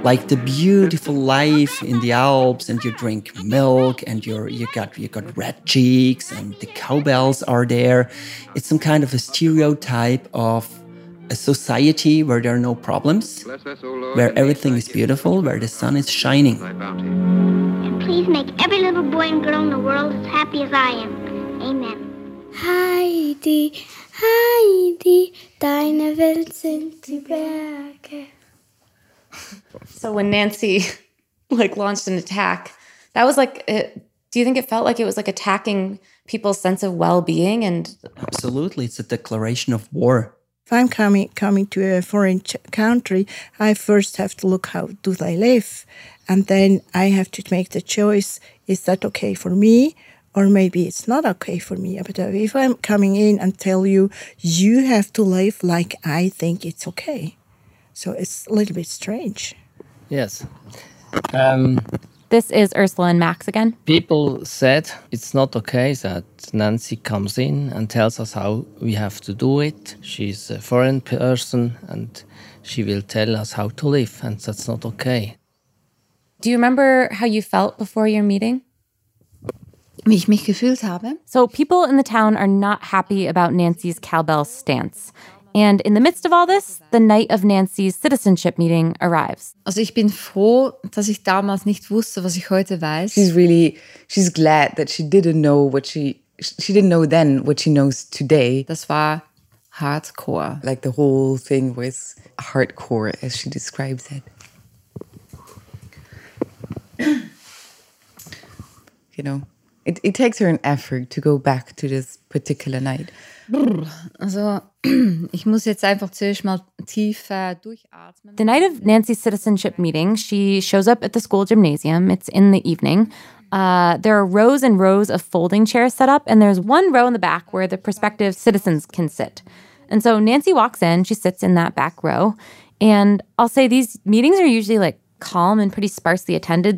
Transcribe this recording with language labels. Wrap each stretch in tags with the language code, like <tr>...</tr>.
<en>Like the beautiful life in the Alps, and you drink milk, and you got red cheeks, and the cowbells are there. It's some kind of a stereotype of a society where there are no problems, where everything is beautiful, where the sun is shining. And please make every little boy and girl in the world as happy as I am. Amen.</en> <de>Heidi, Heidi, deine Welt sind die Berge.</de> <en>So when Nancy, like, launched an attack, that was like, do you think it felt like it was like attacking people's sense of well-being? And absolutely, it's a declaration of war. If I'm coming to a foreign country, I first have to look how do they live. And then I have to make the choice, is that okay for me? Or maybe it's not okay for me. But if I'm coming in and tell you, you have to live like I think it's okay. So it's a little bit strange. Yes. This is Ursula and Max again. People said it's not okay that Nancy comes in and tells us how we have to do it. She's a foreign person and she will tell us how to live, and that's not okay. Do you remember how you felt before your meeting?</en> <de>Wie ich mich gefühlt habe.</de> <en>So people in the town are not happy about Nancy's cowbell stance. And in the midst of all this, the night of Nancy's citizenship meeting arrives.</en> <de>Also, ich bin froh, dass ich damals nicht wusste, was ich heute weiß.</de> <en>She's glad that she didn't know what she didn't know then what she knows today.</en> <de>Das war hardcore.</de> <en>Like the whole thing was hardcore, as she describes it. You know, it takes her an effort to go back to this particular night.</en> <de>Also, ich muss jetzt einfach zuerst mal tief durchatmen.</de> <en>The night of Nancy's citizenship meeting, she shows up at the school gymnasium. It's in the evening. There are rows and rows of folding chairs set up, and there's one row in the back where the prospective citizens can sit. And so Nancy walks in, she sits in that back row. And I'll say these meetings are usually like calm and pretty sparsely attended.</en>